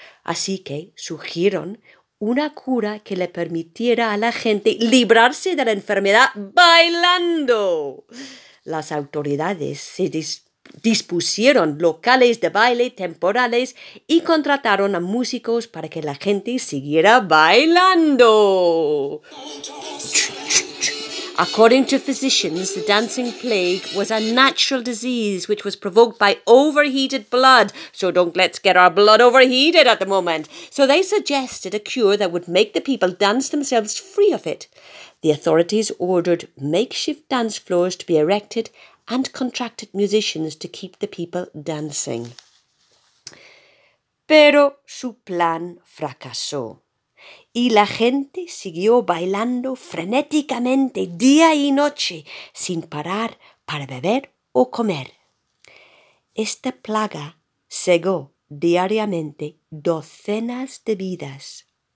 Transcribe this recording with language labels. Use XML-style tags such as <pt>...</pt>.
<es>Así que surgieron una cura que le permitiera a la gente librarse de la enfermedad bailando. Las autoridades se dispusieron locales de baile temporales y contrataron a músicos para que la gente siguiera bailando.</es> <en>According to physicians, the dancing plague was a natural disease which was provoked by overheated blood. So don't let's get our blood overheated at the moment. So they suggested a cure that would make the people dance themselves free of it. The authorities ordered makeshift dance floors to be erected and contracted musicians to keep the people dancing.</en> <es>Pero su plan fracasó. Y la gente siguió bailando frenéticamente día y noche, sin parar para beber o comer. Esta plaga cegó diariamente docenas de vidas.</es>